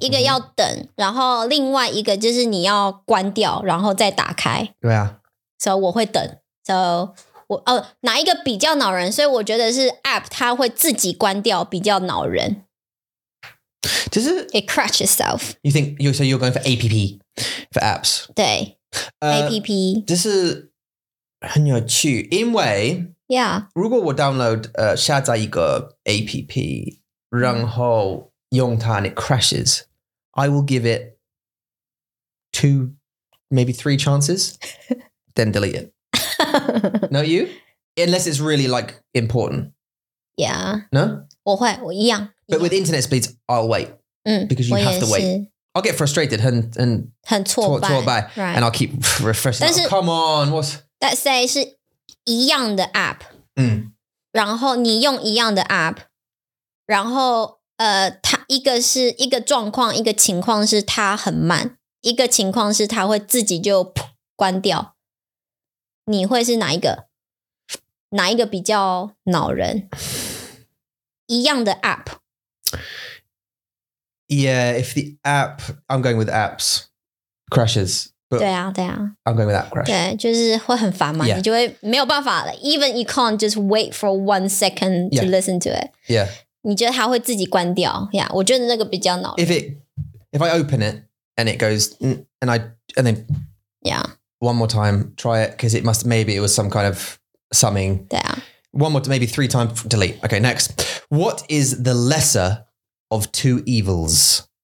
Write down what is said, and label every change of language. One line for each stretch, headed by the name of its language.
Chinese: 一个要等, 然后另外一个就是你要关掉, 然后再打开。对啊。 So, 我会等。 So, 我, 哪一个比较恼人? 所以我觉得是 app, 它会自己关掉比较恼人。就是
English: It crashes itself. You think, you, so you're going for APP? For apps.
Chinese: 对 APP. 这是很有趣因为
English: Yeah. 如果我 download, 下载一个 APP, 然后用它 and it crashes, I will give it two, maybe three chances, then delete it. No, you? Unless it's really like important. Yeah. No?
Chinese: 我会我一样
English: But with internet speeds, I'll wait.
Chinese: 嗯
English: Because you have to wait. I'll get frustrated 很很
Chinese: 很挫败挫败、
English: right. And I'll keep refreshing
Chinese: 但是、
English: like, Come on what's...
Chinese: Let's say 是一样的 app、嗯、然后你用一样的 app 然后它一个是一个状况一个情况是它很慢一个情况是它会自己就关掉你会是哪一个哪一个比较恼人一样的 app
English: Yeah, if the app, I'm going with apps, crashes. But
Chinese: 对啊对啊
English: I'm going with app crash.
Chinese: 对就是会很烦嘛、
English: yeah. 你就会没有办法 Even you can't just wait for 1 second to、 yeah. listen to it. Yeah.
Chinese: 你觉得它会自己关掉 Yeah, 我觉得那个比较恼人
English: If I open it and it goes, and then Yeah. One more time, try it, because it must, maybe it was some kind of summing.
Chinese: 对啊
English: One more, maybe three times, delete. Okay, next. What is the lesser... Of two evils.